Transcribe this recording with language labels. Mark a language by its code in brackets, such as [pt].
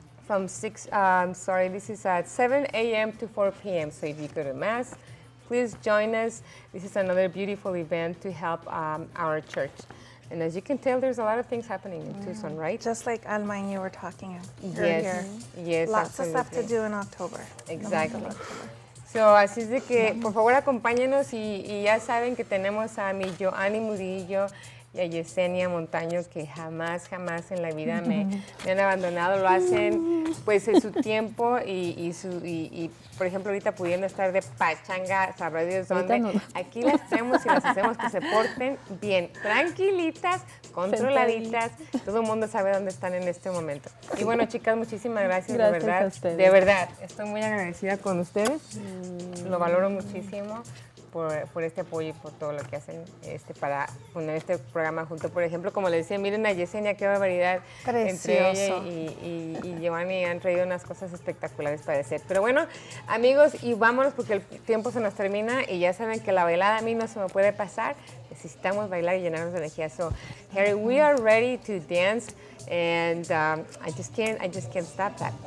[en] This is at 7 a.m. to 4 p.m. So if you go to Mass, please join us. This is another beautiful event to help our church. And as you can tell, there's a lot of things happening in Tucson, right? Just like Alma and you were talking earlier. Yes, lots of stuff to do in October. Exactly. [es] So, así es de que, por favor, acompáñenos. Y ya saben que tenemos a mi Joanny Murillo y a Yesenia Montaño, que jamás en la vida me han abandonado. Lo hacen pues en su tiempo y por ejemplo ahorita pudiendo estar de pachanga, sabrá Dios dónde. Aquí las tenemos y las hacemos que se porten bien, tranquilitas, controladitas. Todo el mundo sabe dónde están en este momento. Y bueno, chicas, muchísimas gracias. De verdad. Gracias a ustedes. De verdad, estoy muy agradecida con ustedes. Lo valoro muchísimo. Por este apoyo y por todo lo que hacen para poner este programa junto. Por ejemplo, como les decía, miren a Yesenia, qué barbaridad. Precioso. Entre ella y Giovanni han traído unas cosas espectaculares para hacer. Pero bueno, amigos, y vámonos porque el tiempo se nos termina y ya saben que la bailada a mí no se me puede pasar. Necesitamos bailar y llenarnos de energía. [en] So, Harry, we are ready to dance and I just can't stop that.